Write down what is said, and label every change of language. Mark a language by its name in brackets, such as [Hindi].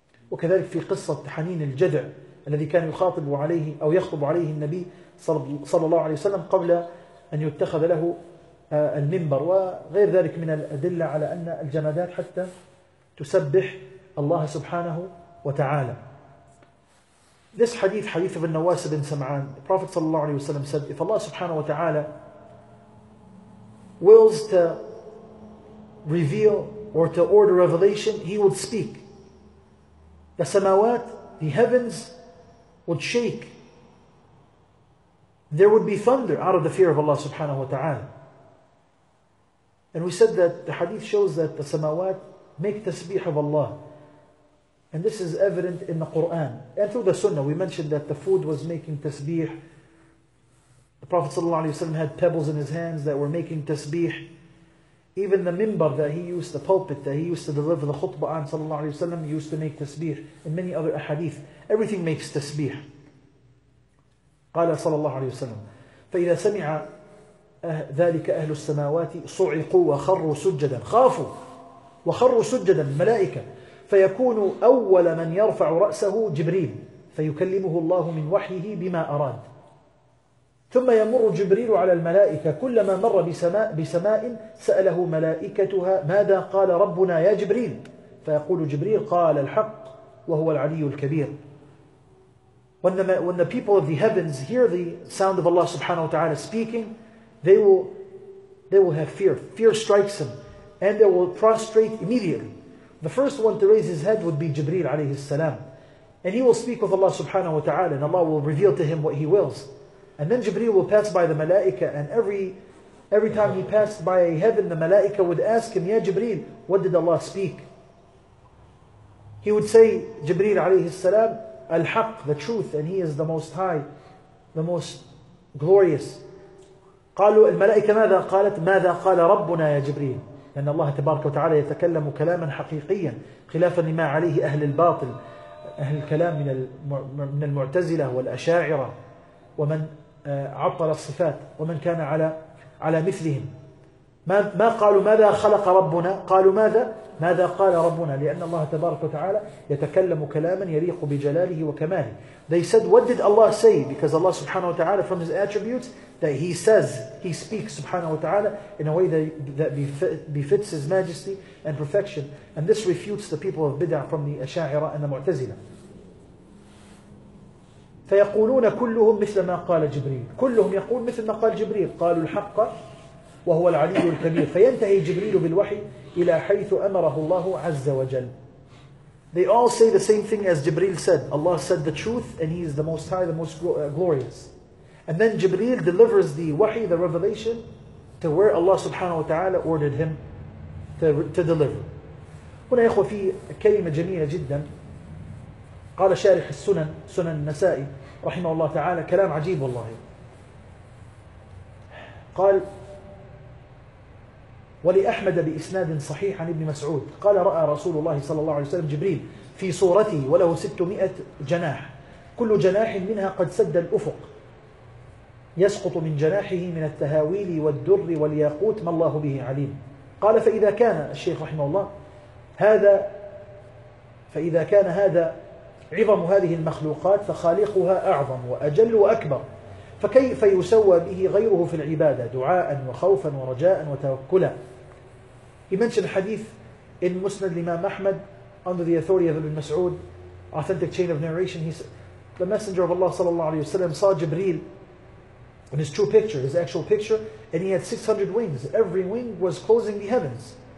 [Arabic] وكذلك في قصة حنين الجدع الذي كان يخاطب عليه أو يخطب عليه النبي صلى الله عليه وسلم قبل أن يتخذ له المنبر، وغير ذلك من الأدلة على أن الجمادات حتى تسبح الله سبحانه وتعالى. [English] This hadith, hadith of النواس بن سمعان, the Prophet [Arabic] صلى الله عليه وسلم [English] said, if Allah subhanahu wa ta'ala wills to reveal or to order revelation, he would speak. The samawat, the heavens would shake. There would be thunder out of the fear of Allah subhanahu wa ta'ala. And we said that the hadith shows that the samawat make tasbih of Allah. And this is evident in the Qur'an. And through the sunnah, we mentioned that the food was making tasbih. The Prophet sallallahu alayhi wa sallam had pebbles in his hands that were making tasbih. Even the minbar that he used, the pulpit that he used to deliver the khutbah on sallallahu alayhi wa sallam, used to make tasbih. And many other ahadith, everything makes tasbih. [Arabic] قال صلى الله عليه وسلم فإذا سمع ذلك أهل السماوات صعقوا وخروا سجدا، خافوا وخروا سجدا الملائكة، فيكون أول من يرفع رأسه جبريل فيكلمه الله من وحيه بما أراد، ثم يمر جبريل على الملائكة، كلما مر بسماء سأله ملائكتها ماذا قال ربنا يا جبريل، فيقول جبريل قال الحق وهو العلي الكبير. [English] When the people of the heavens hear the sound of Allah subhanahu wa ta'ala speaking, they will have fear. Fear strikes them and they will prostrate immediately. The first one to raise his head would be Jibreel alayhi salam. And he will speak with Allah subhanahu wa ta'ala and Allah will reveal to him what he wills. And then Jibreel will pass by the malaika, and every time he passed by a heaven, the malaika would ask him, Ya Jibreel, what did Allah speak? He would say, Jibreel alayhi salam, Al-Haqq, the truth, and he is the most high, the most glorious. [Arabic] قالوا الملائكة ماذا قالت؟ ماذا قال ربنا يا جبريل؟ لأن الله تبارك وتعالى يتكلم كلاما حقيقيا خلافا لما عليه أهل الباطل، أهل الكلام من المعتزلة والأشاعرة ومن عطل الصفات ومن كان على مثلهم. ما قالوا ماذا خلق ربنا؟ قالوا ماذا قال ربنا؟ لأن الله تبارك وتعالى يتكلم كلاما يليق بجلاله وكماله. [English] They said, what did Allah say? Because Allah subhanahu wa ta'ala, from his attributes, that he says, he speaks subhanahu wa ta'ala in a way that befits his majesty and perfection. And this refutes the people of bid'ah from the Asha'ira and the Mu'tazila. [Arabic] فيقولون كلهم مثل ما قال جبريل. كلهم يقول مثل ما قال جبريل. قالوا الحق وهو العلي الكبير. فينتهي جبريل بالوحي إلى حيث أمره الله عز وجل. [English] They all say the same thing as Jibreel said. Allah said the truth and He is the Most High, the Most Glorious. And then Jibreel delivers the wahi, the revelation, to where Allah subhanahu wa ta'ala ordered him to deliver. [Arabic] هنا يخوى في كلمة جميلة جدا. قال شارح السنن، سنن النسائي رحمه الله تعالى، كلام عجيب والله. قال ولأحمد بإسناد صحيح عن ابن مسعود قال رأى رسول الله صلى الله عليه وسلم جبريل في صورته وله 600 جناح، كل جناح منها قد سد الأفق، يسقط من جناحه من التهاويل والدر والياقوت ما الله به عليم. قال فإذا كان الشيخ رحمه الله هذا، فإذا كان هذا عظم هذه المخلوقات فخالقها أعظم وأجل وأكبر، فكيف يسوى به غيره في العبادة دعاء وخوفا ورجاء وتوكلا. [English] He mentioned hadith in Musnad Imam Ahmad under the authority of Ibn Mas'ud, authentic chain of narration. He said, the Messenger of Allah sallallahu alayhi wa sallam saw Jibreel in his true picture, his actual picture, and he had 600 wings. Every wing was closing the heavens.